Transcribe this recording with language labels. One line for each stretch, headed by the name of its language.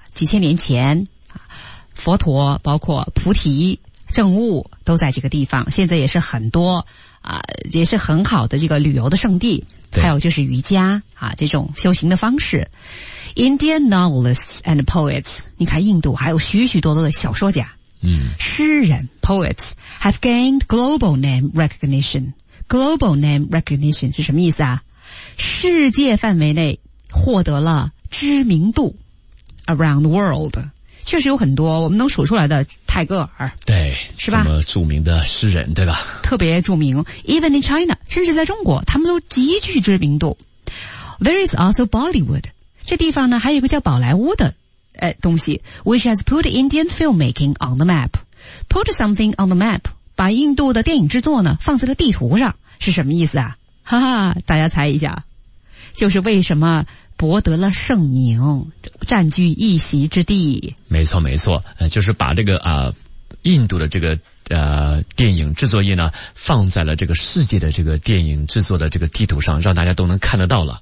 Chinese: 几千年前佛陀包括菩提正悟都在这个地方，现在也是很多也是很好的这个旅游的圣地，还有就是瑜伽啊这种修行的方式。 Indian novelists and poets, 你看印度还有许许多多的小说家，嗯，
English: 诗人 poets have gained global name recognition.
Chinese: Global name recognition 是什么意思啊？世界范围内获得了知名度 around the world。确实有很多我们能数出来的泰戈尔，对，是吧，这么著名的诗人，对吧，特别著名， even in China, 甚至在中国他们都极具知名度。
English: There is also Bollywood, 这地方呢还有一个叫宝莱坞的东西， which has put Indian filmmaking on the map.
Chinese: Put something on the map, 把印度的电影制作呢放在了地图上，是什么意思啊？哈哈，大家猜一下，就是为什么博得了盛名，占据一席之地。没错没错，就是把这个印度的这个电影制作业呢放在了这个世界的这个电影制作的这个地图上，让大家都能看得到了。